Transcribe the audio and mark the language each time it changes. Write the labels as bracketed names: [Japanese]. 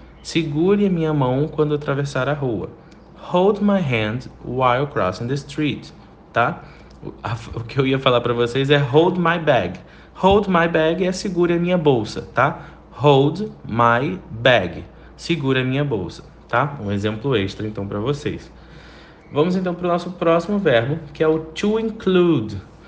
[Portuguese] Segure a minha mão quando atravessar a rua. [English] Hold my hand while crossing the street, tá? [Portuguese] O que eu ia falar para vocês é [English] hold my bag. Hold my bag [Portuguese] é segura a minha bolsa, tá? [English] Hold my bag. [Portuguese] Segura a minha bolsa, tá? Um exemplo extra, então, para vocês. Vamos então para o nosso próximo verbo, que é o to include.